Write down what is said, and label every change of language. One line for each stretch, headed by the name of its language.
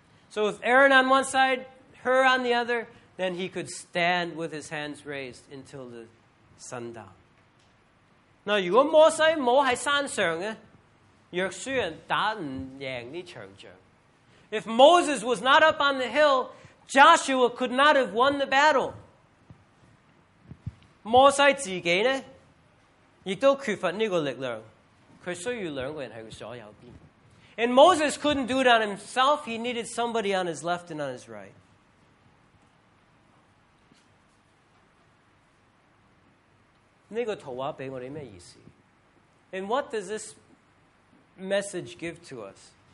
English: So with Aaron on one side, Hur on the other, then he could stand with his hands raised until the sundown.
Chinese: 那如果摩西没在山上，约书亚打不赢这场仗。
English: If Moses was not up on the hill, Joshua could not have won the battle.
Chinese: 摩西自己呢，也都缺乏这个力量，他需要两个人在他左右边。
English: And Moses couldn't do it on himself. He needed somebody on his left and on his right.
Chinese: 这个图画给我们什么意思?
English: And what does this message give to us?